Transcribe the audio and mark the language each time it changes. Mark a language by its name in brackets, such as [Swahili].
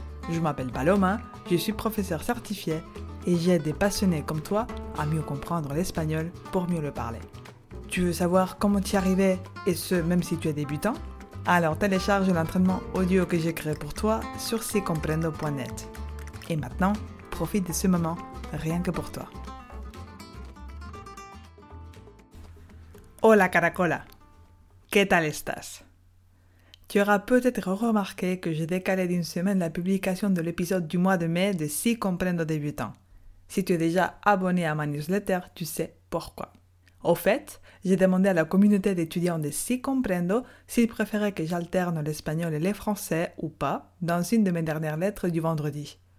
[French] Je m'appelle Paloma, je suis professeur certifié et j'aide des passionnés comme toi à mieux comprendre l'espagnol pour mieux le parler. Tu veux savoir comment t'y arriver et ce même si tu es débutant? Alors télécharge l'entraînement audio que j'ai créé pour toi sur sicomprendo.net. Et maintenant, profite de ce moment rien que pour toi. [Spanish] Hola Caracola, ¿qué tal estás? [French] Tu auras peut-être remarqué que j'ai décalé d'une semaine la publication de l'épisode du mois de mai de Si comprendo débutant. Si tu es déjà abonné à ma newsletter, tu sais pourquoi. Au fait, j'ai demandé à la communauté d'étudiants de Si comprendo s'ils préféraient que j'alterne l'espagnol et le français ou pas dans une de mes dernières lettres du vendredi.